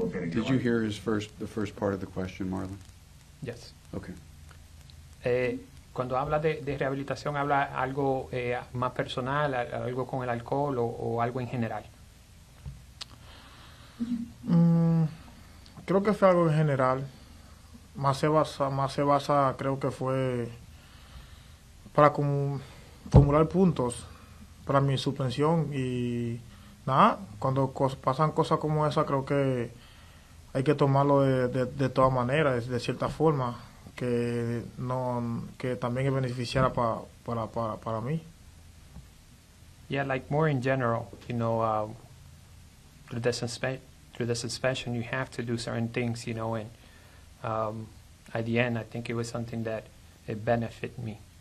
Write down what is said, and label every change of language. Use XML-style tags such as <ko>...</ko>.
<en>Did you hear the first part of the question, Marlon? Yes. Okay.</en> <es>cuando habla de rehabilitación, habla algo más personal, algo con el alcohol o algo en general. Creo que fue algo en general. Más se basa, creo que fue para acumular puntos para mi suspensión. Y nada, cuando pasan cosas como esa, creo que hay que tomarlo de todas maneras, de cierta forma, que no, que también es beneficiaria para mí.</es> <en>Yeah, like more in general, you know, through the suspension, you have to do certain things, you know, and at the end, I think it was something that it benefited me.</en>